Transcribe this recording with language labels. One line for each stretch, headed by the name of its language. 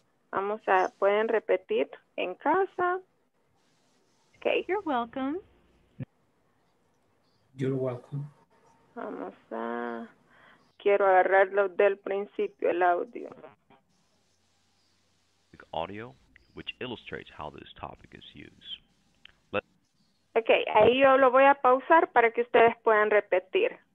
Spanish: Vamos a, pueden repetir en casa. Okay.
English: You're welcome. You're welcome.
Spanish: Vamos a, quiero agarrarlo del principio, el audio.
English: Audio, which illustrates how this topic is used.
Spanish: Okay, ahí yo lo voy a pausar para que ustedes puedan repetir.